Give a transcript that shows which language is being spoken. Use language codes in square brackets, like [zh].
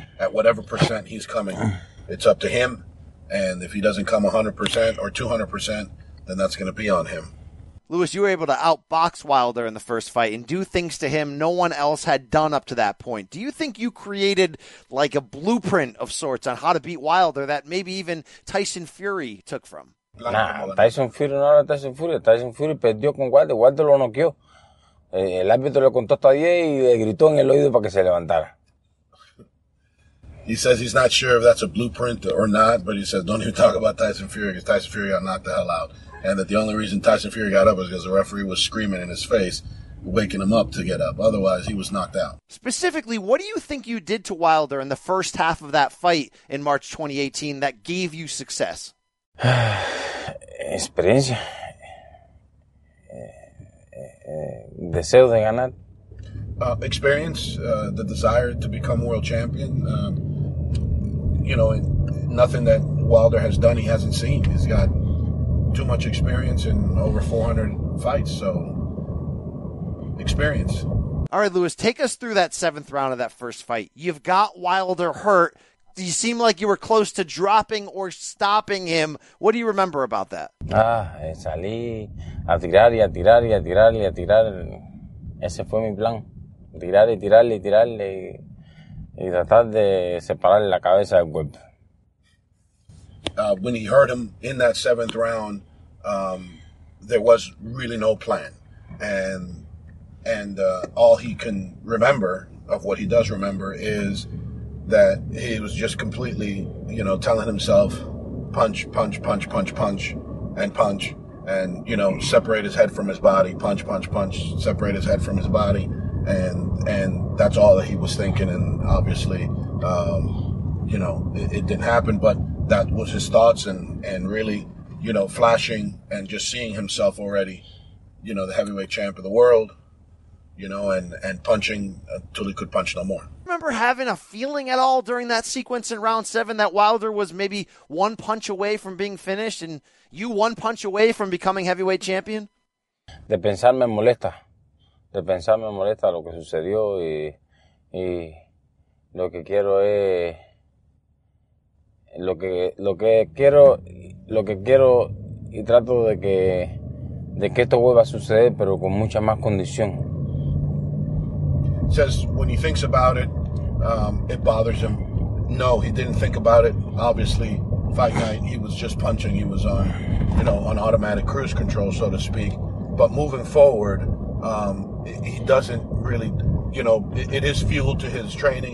[en] At whatever percent he's coming, it's up to him. And if he doesn't come 100% or 200%, then that's going to be on him. Luis, you were able to outbox Wilder in the first fight and do things to him no one else had done up to that point. Do you think you created like a blueprint of sorts on how to beat Wilder that maybe even Tyson Fury took from? [es] Nah, Tyson Fury no era Tyson Fury. Tyson Fury perdió con Wilder. Wilder lo noqueó. El árbitro le contó hasta 10 y le gritó en el oído para que se levantara. [en] He says he's not sure if that's a blueprint or not, but he says don't even talk about Tyson Fury because Tyson Fury got knocked the hell out. And that the only reason Tyson Fury got up was because the referee was screaming in his face, waking him up to get up. Otherwise, he was knocked out. Specifically, what do you think you did to Wilder in the first half of that fight in March 2018 that gave you success? [es] Experiencia. Deseo de ganar. [en] Experience, the desire to become world champion. You know, nothing that Wilder has done, he hasn't seen. He's got too much experience in over 400 fights, so experience. All right, Luis, take us through that seventh round of that first fight. You've got Wilder hurt. You seem like you were close to dropping or stopping him. What do you remember about that? [es] Salí a tirar y a tirar y a tirar y a tirar. Ese fue mi plan. Tirar y tirar y tirar y tratar de separarle la cabeza del cuerpo. [en] When he hurt him in that seventh round, there was really no plan. And all he can remember of what he does remember is that he was just completely, you know, telling himself punch, punch, punch, punch, punch, and punch, and, you know, separate his head from his body, punch, punch, punch, separate his head from his body. And that's all that he was thinking. And obviously, you know, it didn't happen, but that was his thoughts and really, you know, flashing and just seeing himself already, you know, the heavyweight champ of the world, you know, and punching until he could punch no more. Remember having a feeling at all during that sequence in round seven that Wilder was maybe one punch away from being finished and you one punch away from becoming heavyweight champion? [es] De pensar me molesta. De pensar me molesta lo que sucedió y lo que quiero es lo que quiero y trato de que esto vuelva a suceder pero con mucha más condición. [en] Says when he thinks about it, it bothers him. No, he didn't think about it. Obviously, fight night, he was just punching. He was on, you know, on automatic cruise control, so to speak. But moving forward, he doesn't really, you know, it is fuel to his training.